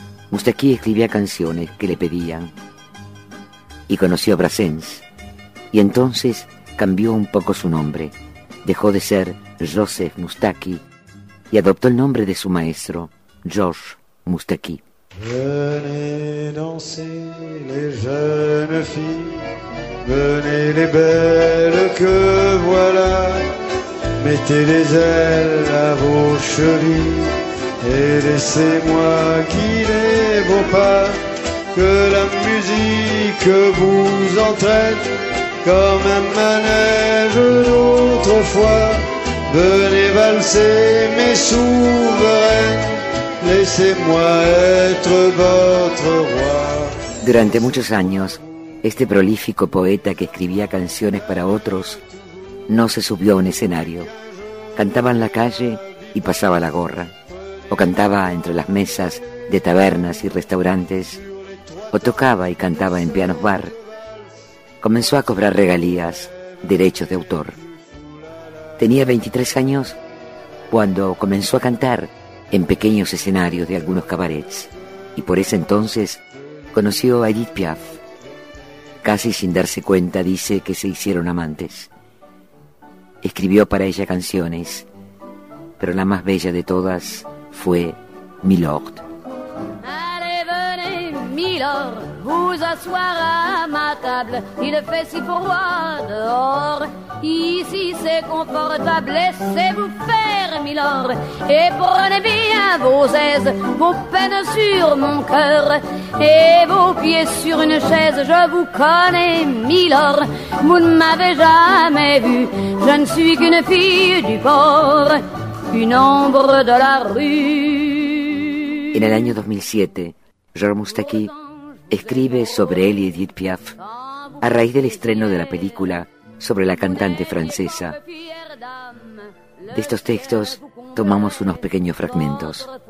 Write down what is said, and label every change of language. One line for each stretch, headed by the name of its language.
Spanish: Moustaki escribía canciones que le pedían. Y conoció a Brassens. Y entonces cambió un poco su nombre. Dejó de ser Joseph Moustaki y adoptó el nombre de su maestro, George Moustaki.
French: Venez danser les jeunes filles, venez les belles que voilà, mettez les ailes à vos chevilles et laissez-moi guider vos pas, que la musique vous entraîne comme un manège d'autrefois. Venez valser mes souveraines, laissez-moi être votre roi.
Spanish: Durante muchos años, este prolífico poeta que escribía canciones para otros no se subió a un escenario. Cantaba en la calle y pasaba la gorra. O cantaba entre las mesas de tabernas y restaurantes. O tocaba y cantaba en pianos bar. Comenzó a cobrar regalías, derechos de autor. Tenía 23 años cuando comenzó a cantar en pequeños escenarios de algunos cabarets, y por ese entonces conoció a Edith Piaf. Casi sin darse cuenta, dice que se hicieron amantes. Escribió para ella canciones, pero la más bella de todas fue Milord.
French: Allez, venez, Milord, vous asseoir à ma table. Il fait si froid dehors, ici c'est confortable. Laissez-vous faire, Milord, et prenez bien vos aises, vos peines sur mon cœur, et vos pieds sur une chaise. Je vous connais, Milord, vous ne m'avez jamais vu, je ne suis qu'une fille du port, une ombre de la rue.
Spanish: En el año 2007, Georges Moustaki escribe sobre él y Edith Piaf a raíz del estreno de la película sobre la cantante francesa. De estos textos tomamos unos pequeños fragmentos.